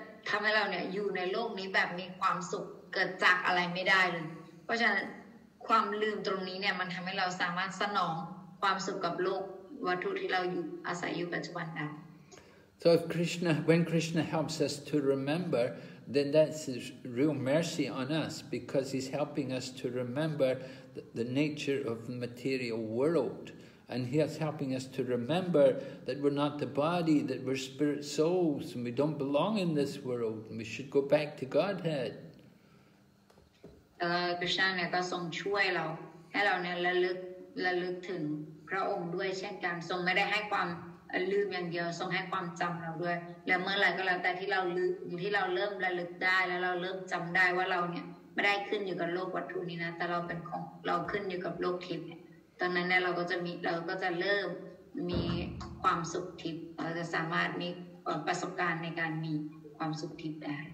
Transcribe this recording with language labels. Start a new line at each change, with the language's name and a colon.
Thai: ทำให้เราเนี่ยอยู่ในโลกนี้แบบมีความสุขเกิดจากอะไรไม่ได้เลยเพราะฉะนั้นความลืมตรงนี้เนี่ยมันทำให้เราสามารถสนองความสุขกับโลกวัตถุที่เราอยู่อาศัยอยู่ปัจจุบันได้
English: So if Krishna, when Krishna helps us to remember, then that's his real mercy on us because he's helping us to remember the nature of the material world. And he is helping us to remember that we're not the body, that we're spirit souls, and we don't belong in this world, and we should go back to Godhead.
Thai: Krishna เนี่ยก็ทรงช่วยเราให้เราเนี่ยระลึกถึงพระองค์ด้วยเช่นกันทรงไม่ได้ให้ความลืมอย่างเดียวทรงให้ความจำเราด้วยและเมื่อไรก็แล้วแต่ที่เราเริ่มระลึกได้แล้วเราเริ่มจำได้ว่าเราเนี่ยไม่ได้ขึ้นอยู่กับโลกวัตถุนี้นะแต่เราเป็นของเราขึ้นอยู่กับโลกทิพย์ตอนนั้นเนี่ยเราก็จะเริ่มมีความสุขทิพย์เราจะสามารถมีประสบการณ์ในการมีความสุขทิพย์ได